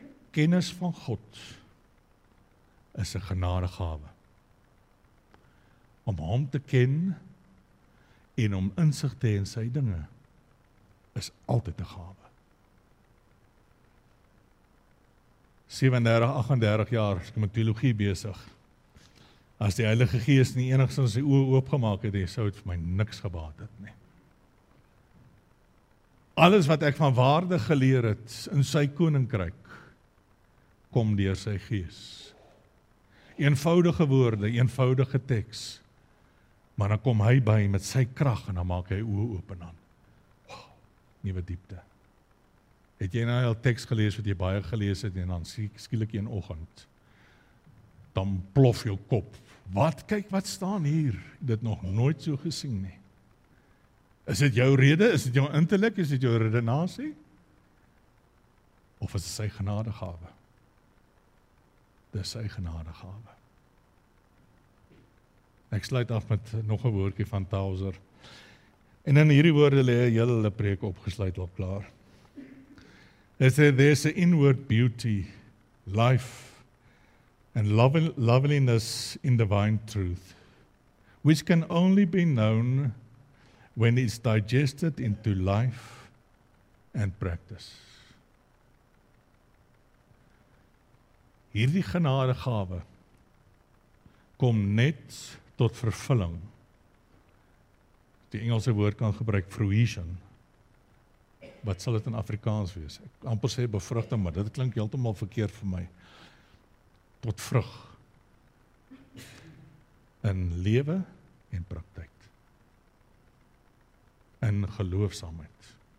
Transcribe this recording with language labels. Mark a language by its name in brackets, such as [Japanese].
[Afrikaans] Kennis van God is een genadegave. Om hom te ken en om insig te in sy dinge, is altyd een gave. 37, 38 jaar is ek met theologie bezig. As die Heilige Gees nie enigszins die oë oopgemaak het, sou het vir my niks gebaat het nie. Alles wat ek van waarde geleer het in sy koninkryk, kom deur sy Gees. Eenvoudige woorde, eenvoudige teks, maar dan kom hy by met sy krag en dan maak hy oë oop en dan. Nuwe diepte. Het jy nou al teks gelees wat jy baie gelees het en dan skielik een oggend, dan plof jou kop. Wat, kyk wat staan hier, dit nog nooit so gesien nie. Is dit jou rede, is dit jou intellek, is dit jou redenasie? Of is dit sy genadegawe? Dit is sy genadegawe. Ek sluit af met nog een woordjie van Tauser. En in hierdie woorde lê julle preek opgesluit al klaar. [English] Is there, there's an inward beauty, life, and loveliness in divine truth, which can only be known when it's digested into life and practice. [Afrikaans] Hierdie genadegawe kom net tot vervulling. Die Engelse woord kan gebruik, fruition. Wat sal dit in Afrikaans wees? Ek amper sê bevrugting, maar dit klink heeltemal verkeerd vir my. Tot vrug. In lewe en praktyk. In geloofsaamheid.